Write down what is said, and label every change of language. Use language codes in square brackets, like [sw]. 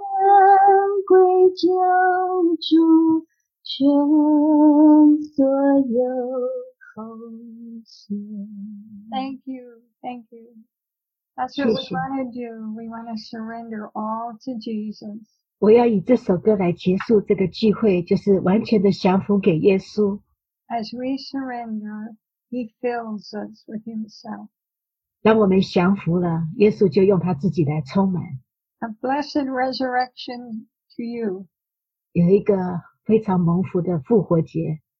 [zh] 将归交主，全所有奉献。 [en] Thank you, thank you. That's what we want to do. We want to surrender all to Jesus. [zh] 我要以这首歌来结束这个聚会，就是完全的降服给耶稣。 [en] As we surrender, He fills us with Himself. [zh] 当我们降服了，耶稣就用他自己来充满。 [en] A blessed resurrection to you. [zh] 有一个非常蒙福的复活节。